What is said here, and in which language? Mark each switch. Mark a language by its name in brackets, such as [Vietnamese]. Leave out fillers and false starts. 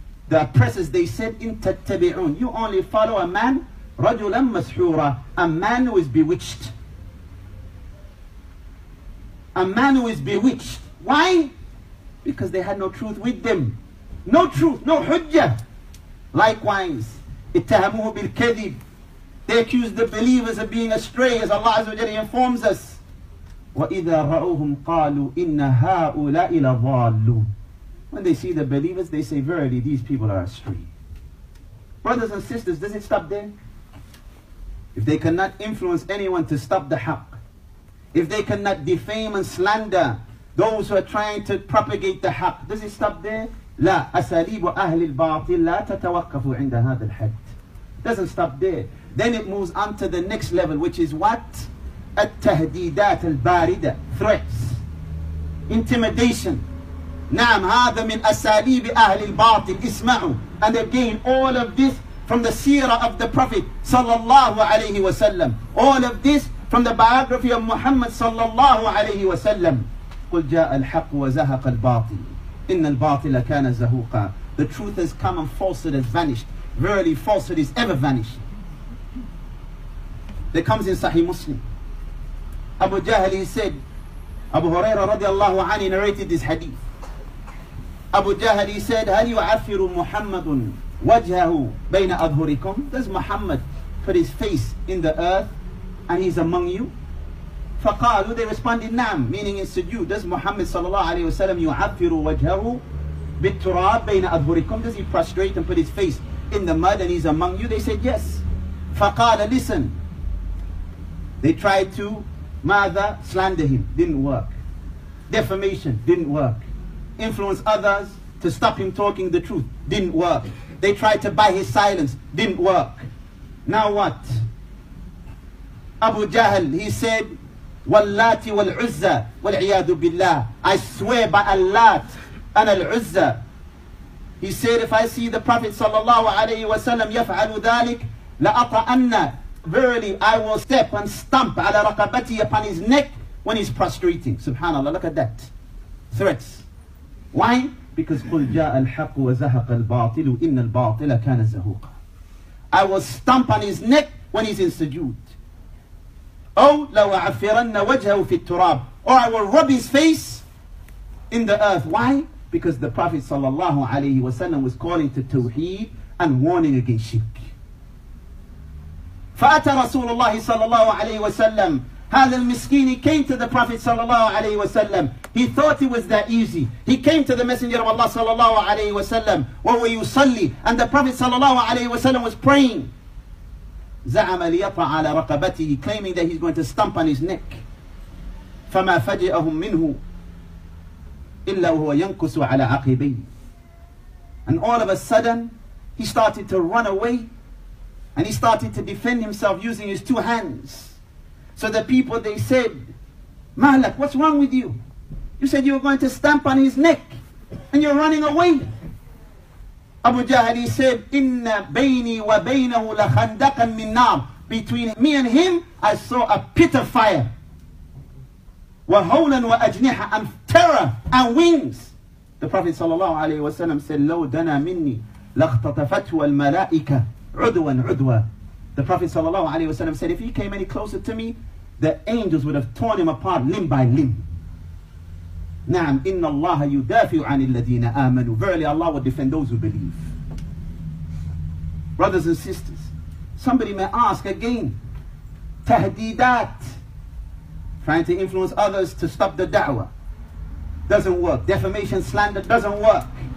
[English] The oppressors, they said, [Arabic] إِن تَتَّبِعُونَ. [English] You only follow a man [Arabic] رَجُلًا مَسْحُورًا. [English] A man who is bewitched. A man who is bewitched. Why? Because they had no truth with them. No truth, no hujjah. Likewise, [Arabic] اتهموه بالكذب. [English] They accused the believers of being astray, as Allah Azza wa Jalla informs us. [Arabic] وَإِذَا رَأُوهُمْ قَالُوا إِنَّ هَؤُلَاءِ لَضَالُّونَ. [English] When they see the believers, they say, verily, these people are astray. Brothers and sisters, does it stop there? If they cannot influence anyone to stop the haqq, if they cannot defame and slander those who are trying to propagate the haqq, does it stop there? [Arabic] لا أساليب أهل الباطل لا تتوقف عند هذا الحد. [English] Doesn't stop there. Then it moves on to the next level, which is what? [Arabic] التهديدات الباردة. [English] Threats. Intimidation. [Arabic] نعم هذا من أساليب أهل الباطل. اسمعوا. [English] And again, all of this from the seerah of the Prophet صلى الله عليه وسلم. All of this from the biography of Muhammad صلى الله عليه وسلم. [Arabic] قل جاء الحق وزهق الباطل. إن الباطل كان زهوقا. [English] The truth has come and falsehood has vanished. Verily, falsehood is ever vanishing. That comes in Sahih Muslim. Abu Jahl, he said, Abu Hurairah radiallahu anhu narrated this hadith. [Arabic] Abu Jahl, [English] he said, [Arabic] هل يعفر محمد وجهه بين أظهركم? [English] Does Muhammad put his face in the earth and he's among you? [Arabic] فقالوا, [English] they responded, نعم, meaning in sujood. Does [Arabic] Muhammad صلى الله عليه وسلم يعفر وجهه بالتراب بين أظهركم? [English] Does he prostrate and put his face in the mud and he's among you? They said, yes. [Arabic] فقال, [English] listen. They tried to, [Arabic] ماذا, [English] slander him. Didn't work. Defamation, didn't work. Influence others to stop him talking the truth. Didn't work. They tried to buy his silence. Didn't work. Now what? [Arabic] Abu Jahl, [English] he said, [Arabic] وَاللَّاتِ وَالْعُزَّةِ وَالْعِيَادُ بِاللَّهِ. [English] I swear by Allah and Al-Uzza. He said, if I see the Prophet sallallahu alayhi wa sallam [Arabic] يَفْعَلُ ذَلِكَ لَأَطَأَنَّ. [English] Verily, I will step and stamp [Arabic] على رَقَبَتِي, [English] upon his neck when he's prostrating. SubhanAllah, look at that. Threats. Why? Because [Arabic] قُلْ جَاءَ الْحَقُ وَزَهَقَ الْبَاطِلُ إِنَّ الْبَاطِلَ كَانَ زَهُوقًا. [English] I will stamp on his neck when he's in sujood. [Arabic] أو لو عفرن وجهه في التراب. [English] Or I will rub his face in the earth. Why? Because the Prophet sallallahu alayhi wasallam was calling to tawheed and warning against shirk. [Arabic] فأتى رسول الله صلى الله عليه وسلم. هذا المسكين, [English] he came to the Prophet صلى الله عليه وسلم. He thought it was that easy. He came to the Messenger of Allah صلى الله عليه وسلم. [Arabic] وهو يصلي. [English] And the Prophet صلى الله عليه وسلم was praying. [Arabic] زعم ليطع على رقبته, [English] claiming that he's going to stomp on his neck. [Arabic] فما فجأهم منه إلا وهو ينكس على عقبيه. [English] And all of a sudden, he started to run away and he started to defend himself using his two hands. So the people, they said, Malak, what's wrong with you? You said you were going to stamp on his neck and you're running away. [Arabic] Abu Jahl, [English] he said, [Arabic] إِنَّ بَيْنِي وَبَيْنَهُ لَخَنْدَقًا مِنْ نَارٍ. [English] Between me and him, I saw a pit of fire. [Arabic] وَهَوْلًا وَأَجْنِحًا. [English] And terror and wings. The Prophet sallallahu alayhi wa sallam said, [Arabic] لَوْ دَنَا مِنِّي لَاخْتَطَفَتْهُ الْمَلَائِكَةُ عُدْوًا عُدْوًا. [English] The Prophet sallallahu alayhi wa sallam said, if he came any closer to me, the angels would have torn him apart limb by limb. [Arabic] نعم إن الله يدافع عن الذين آمنوا. [English] Verily Allah will defend those who believe. Brothers and sisters, somebody may ask again, تهديدات, trying to influence others to stop the da'wah, doesn't work. Defamation, slander, doesn't work.